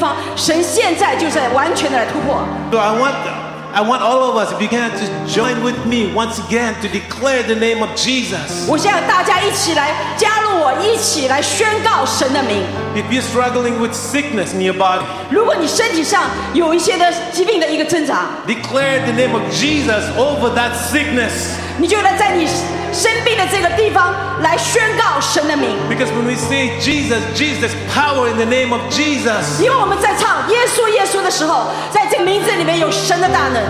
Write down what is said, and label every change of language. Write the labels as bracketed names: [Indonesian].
[Chinese] 那就是你在挣扎的那些的地方，神现在就在完全的来突破。 [English] So I want all of us, if you can, to join with me once again to declare the name of Jesus. [Chinese] 我想大家一起来加入我，一起来宣告神的名。 [English] If you're struggling with sickness in your body, [Chinese] 如果你身体上有一些的疾病的一个挣扎, [English] declare the name of Jesus over that sickness. [Chinese] 你就能在你生病的这个地方来宣告神的名。 [English] Because when we say Jesus, Jesus, power in the name of Jesus, [Chinese] 因为我们在唱耶稣耶稣的时候, 在这个名字里面有神的大能。